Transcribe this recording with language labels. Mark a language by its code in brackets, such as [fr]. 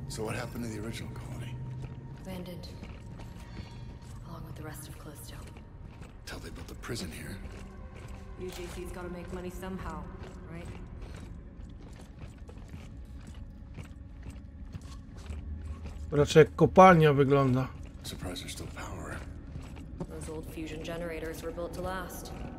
[en] So what happened to the original colony? Abandoned. Along with the rest of Callisto. Tell they built a prison here. UJC's gotta make money somehow, right? [pl] Raczej kopalnia wygląda. [en] Surprise, there's still power. Those old fusion generators were built to last.